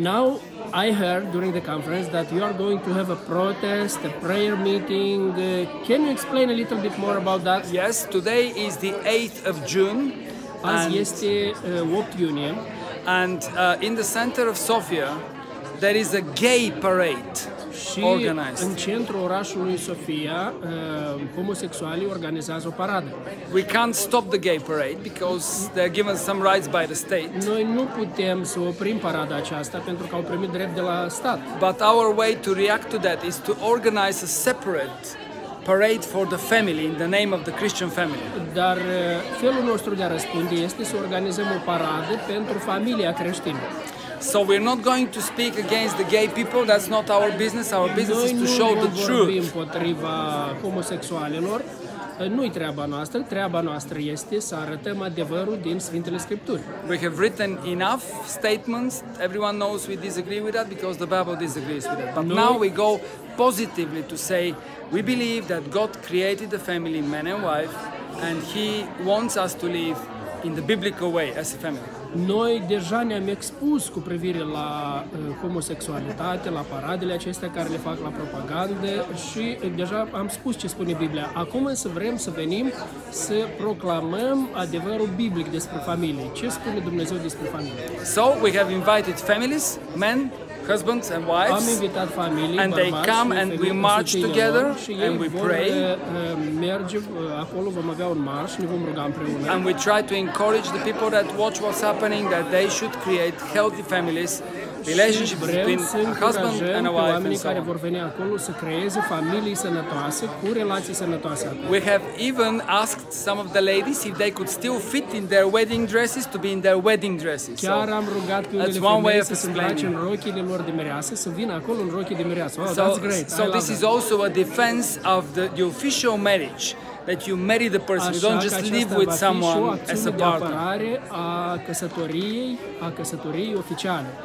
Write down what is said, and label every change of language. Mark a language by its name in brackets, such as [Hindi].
[English] Now, I heard during the conference that you are going to have a protest, a prayer meeting. Can you explain a little bit more about that? Yes, today is the 8th of June. In the center of Sofia, there is a gay parade organized. [Romanian] În centrul orașului Sofia, homosexualii organizează o paradă. [English] We can't stop the gay parade because they're given some rights by the state. [Romanian] Noi nu putem să oprim parada aceasta pentru că au primit drept de la stat. [English] But our way to react to that is to organize a separate parade for the family in the name of the Christian family. [Romanian] Dar felul nostru de a răspunde este să organizăm o paradă pentru familia creștină. [English] So we're not going to speak against the gay people. That's not our business. Our business is to show the truth. [Romanian] Noi nu vorbim împotriva homosexualilor. Nu-i treaba noastră. Treaba noastră este să arătăm adevărul din Sfintele Scripturi. [English] We have written enough statements. Everyone knows we disagree with that because the Bible disagrees with that. But now we go positively to say we believe that God created the family, man and wife, and He wants us to live in the biblical way as a family. [Romanian] Noi deja ne-am expus cu privire la homosexualitate, la paradele acestea care le fac la propagandă și deja am spus ce spune Biblia. Acum însă vrem să venim să proclamăm adevărul biblic despre familie. Ce spune Dumnezeu despre familie? [English] So, we have invited families, men, husbands and wives, [Romanian] am invitat familie, [English] and they come and we march together and we pray. [Romanian] Merge acolo, vom avea un marș, ne vom ruga împreună. [English] And we try to encourage the people that watch what's happening that they should create healthy families, relationships between a husband and a wife and so on. [Romanian] Care vor veni acolo să creeze familii sănătoase cu relații sănătoase. [English] We have even asked some of the ladies if they could still fit in their wedding dresses to be in their wedding dresses. [Romanian] Chiar am rugat pe unele femei să se îmbrace în rochile lor de mireasă, să vină acolo în rochii de mireasă. [English] Oh, so, that's great. So this is also a defense of the official marriage. That you marry the person, you don't just live with someone as a partner. [Romanian] A căsătoriei, a căsătoriei oficiale.